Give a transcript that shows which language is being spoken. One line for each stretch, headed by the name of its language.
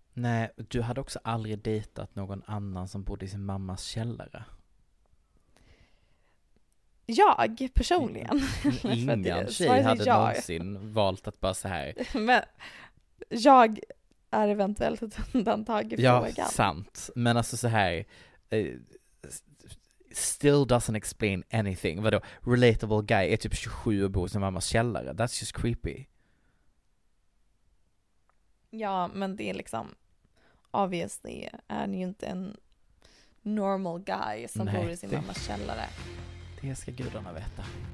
Swedish: Nej, du hade också aldrig dejtat någon annan som bodde i sin mammas källare. Jag, personligen. Ingen tjej hade någonsin valt att bara så här. Men jag är eventuellt ett undantag i frågan. Ja, sant. Men alltså så här,
English: still doesn't explain anything.
Swedish: Vadå?
English: Relatable guy
Swedish: är typ 27 och bor i sin mammas källare.
English: That's just creepy.
Swedish: Ja, men det är liksom, obviously är han ju inte en
English: normal guy
Swedish: som bor i sin mammas källare. Det ska gudarna veta.